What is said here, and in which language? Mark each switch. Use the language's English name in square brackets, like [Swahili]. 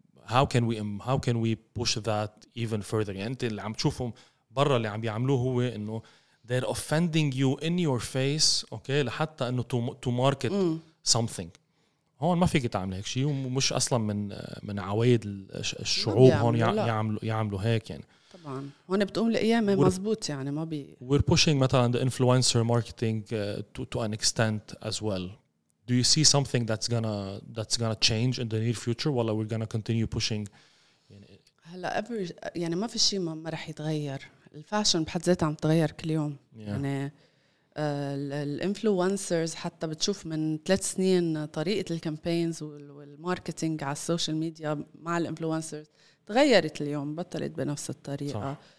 [English] how can we push that even further? [Arabic] يعني أنت اللي عم تشوفهم برا اللي عم بيعملوه هو إنه [English] they're offending you in your face, okay, [Arabic] لحتى إنه [English] to market something. [Arabic] هون ما فيك تعمل هيك شيء, ومش اصلا من عوايد الشعوب هون يعملوا هيك يعني. طبعا هون بتقوم لايام مزبوط يعني ما بي [English] we're pushing مثلا the influencer marketing to an extent as well. Do you see something that's gonna change in the near future while we're gonna continue pushing [Arabic] يعني... هلا every يعني ما في شيء ما رح يتغير. الفاشن بحد ذاته عم تغير كل يوم yeah. يعني الانفلونسرز حتى بتشوف من 3 سنين طريقة الكامبينز والماركتينج على السوشيال ميديا مع الانفلونسرز تغيرت اليوم, بطلت بنفس الطريقة.